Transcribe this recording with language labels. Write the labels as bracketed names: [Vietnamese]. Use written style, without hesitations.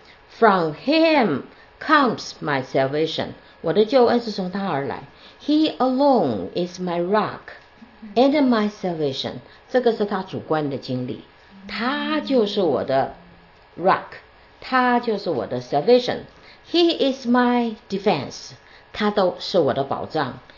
[English] From him comes my salvation. [Chinese] 我的救恩是从他而来。 [English] He alone is my rock and my salvation. [Chinese] 这个是他主观的经历。他就是我的 rock， 他就是我的 salvation。 [English] He is my defense， [Chinese] 他都是我的保障。